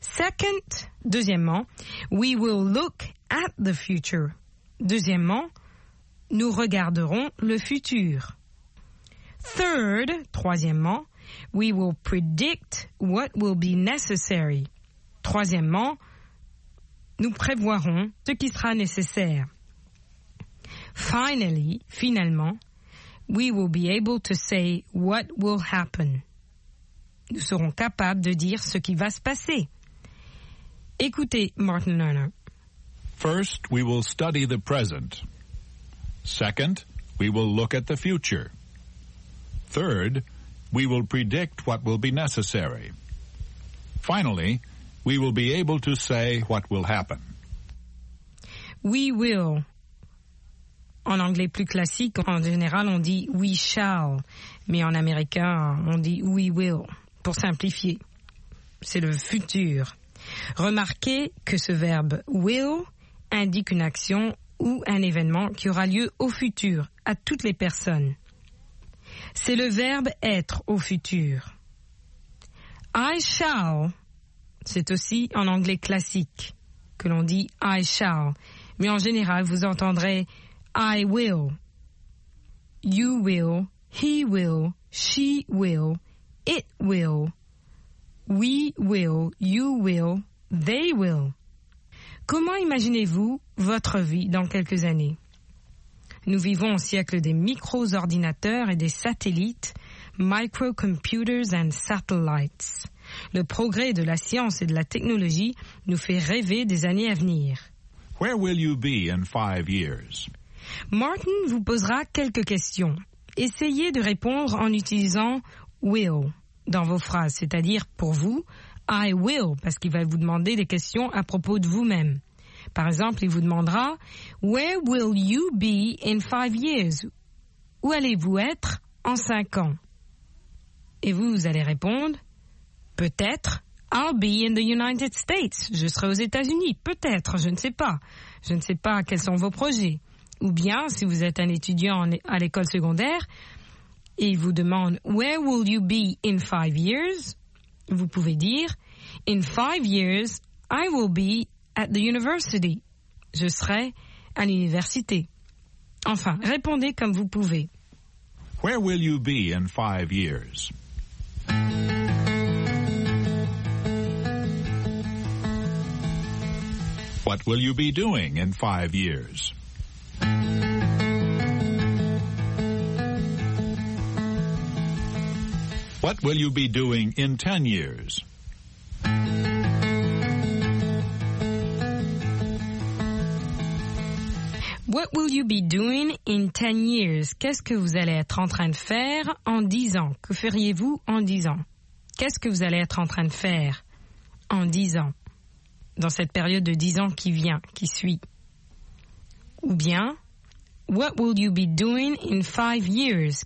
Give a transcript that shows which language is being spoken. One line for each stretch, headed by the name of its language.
English: Second,
French: deuxièmement, «
English: we will look at the future.
French: » Deuxièmement, « nous regarderons le futur. »
English: Third,
French: troisièmement, «
English: we will predict what will be necessary.
French: » Troisièmement, nous prévoirons ce qui sera nécessaire.
English: Finally, finalement, we will be able to say what will happen.
French: Nous serons capables de dire ce qui va se passer. Écoutez Martin Lerner.
English: First, we will study the present. Second, we will look at the future. Third, we will predict what will be necessary. Finally, we will be able to say what will happen. We will.
French: En anglais plus classique, en général, on dit
English: we shall.
French: Mais en américain, on dit
English: we will,
French: pour simplifier. C'est le futur. Remarquez que ce verbe will indique une action ou un événement qui aura lieu au futur, à toutes les personnes. C'est le verbe être au futur.
English: I shall.
French: C'est aussi en anglais classique que l'on dit
English: I shall.
French: Mais en général, vous entendrez
English: I will, you will, he will, she will, it will, we will, you will, they will.
French: Comment imaginez-vous votre vie dans quelques années? Nous vivons au siècle des micro-ordinateurs et des satellites,
English: microcomputers and satellites.
French: Le progrès de la science et de la technologie nous fait rêver des années à venir.
English: Where will you be in 5 years?
French: Martin vous posera quelques questions. Essayez de répondre en utilisant will dans vos phrases, c'est-à-dire pour vous,
English: I will,
French: parce qu'il va vous demander des questions à propos de vous-même. Par exemple, il vous demandera,
English: where will you be in 5 years?
French: Où allez-vous être en 5 ans? Et vous, vous allez répondre, peut-être,
English: I'll be in the United States.
French: Je serai aux États-Unis. Peut-être, je ne sais pas. Je ne sais pas quels sont vos projets. Ou bien, si vous êtes un étudiant à l'école secondaire, et il vous demande,
English: where will you be in 5 years?
French: Vous pouvez dire,
English: in 5 years, I will be at the university.
French: Je serai à l'université. Enfin, répondez comme vous pouvez.
English: Where will you be in 5 years? What will you be doing in 5 years? What will you be doing in 10 years? What will you be doing in 10 years?
French: Qu'est-ce que vous allez être en train de faire en 10 ans? Que feriez-vous en 10 ans? Qu'est-ce que vous allez être en train de faire en 10 ans? Dans cette période de 10 ans qui vient, qui suit. Ou bien,
English: What will you be doing in 5 years?